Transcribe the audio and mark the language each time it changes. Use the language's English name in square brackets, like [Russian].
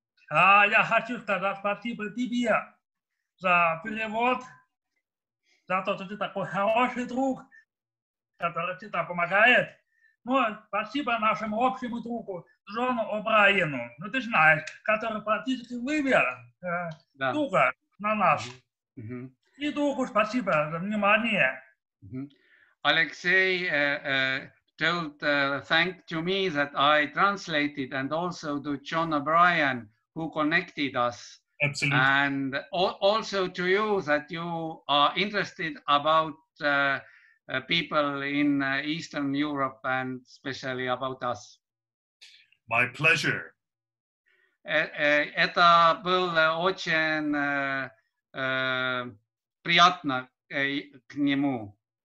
[Russian] А я хочу сказать спасибо тебе за перевод, за то, что ты такой хороший друг, который тебе помогает. Ну, спасибо нашему общему другу Джону О'Брайену, ну ты знаешь, который практически вывел. Да. Туга на нас. Mm-hmm. [English] Aleksei told thank to me that I translated, and also to John O'Brien, who connected us. Absolutely. And also to you, that you are interested about people in Eastern Europe, and especially about us. My pleasure. [Russian] Это был очень приятно к нему.